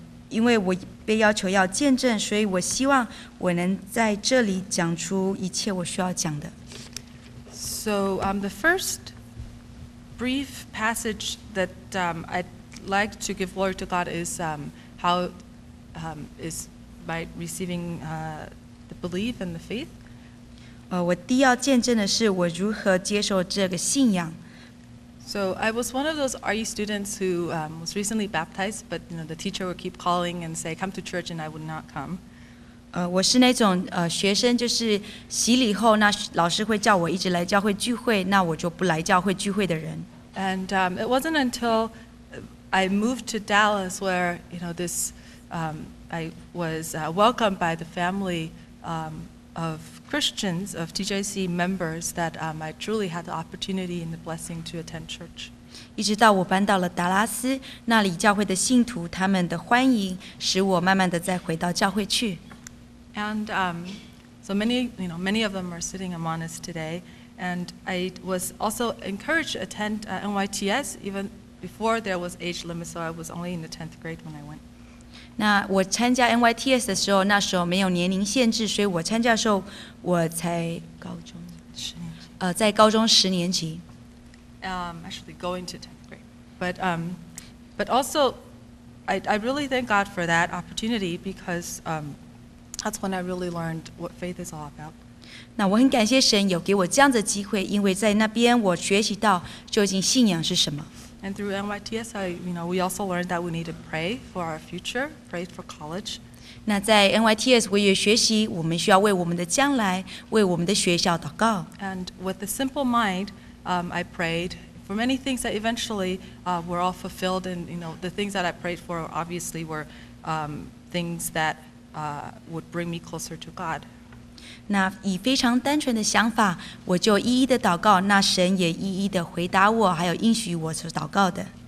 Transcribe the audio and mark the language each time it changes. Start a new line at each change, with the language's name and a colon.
Chinese: 因为我被要求要见证，所以我希望我能在这里讲出一切我需要讲的。
English: So, the first brief passage that I'd like to give glory to God is how is by receiving the belief and the faith.
Chinese: 我第一要见证的是我如何接受这个信仰。
English: So I was one of those RE students who was recently baptized, but you know, the teacher would keep calling and say, come to church, and I would not come.
Chinese: 我是那种学生，就是洗礼后，那老师会叫我一直来教会聚会，那我就不来教会聚会的人。
English: And it wasn't until I moved to Dallas where, you know, this, I was welcomed by the family of Christians, of TJC members, that I truly had the opportunity and the blessing to attend church.
Chinese: 一直到我搬到了达拉斯，那里教会的信徒，他们的欢迎，使我慢慢的再回到教会去。
English: And so many, you know, many of them are sitting among us today. And I was also encouraged to attend NYTS even before there was age limit, so I was only in the 10th grade when I went.
Chinese: 那我参加 NYTS 的时候，那时候没有年龄限制，所以我参加的时候我才高中十年级，在高中十年级。
English: Actually going to 10th grade, but also I really thank God for that opportunity because that's when I really learned what faith is all about.
Chinese: 那我很感谢神有给我这样的机会，因为在那边我学习到究竟信仰是什么。
English: And through NYTS, you know, we also learned that we need to pray for our future, pray for college.
Chinese: 那在 NYTS, 我也学习我们需要为我们的将来，为我们的学校祷告。
English: And with a simple mind, I prayed for many things that eventually were all fulfilled. And, you know, the things that I prayed for obviously were things that would bring me closer to God.
Chinese: 那以非常单纯的想法，我就一一的祷告，那神也一一的回答我，还有应许我所祷告的。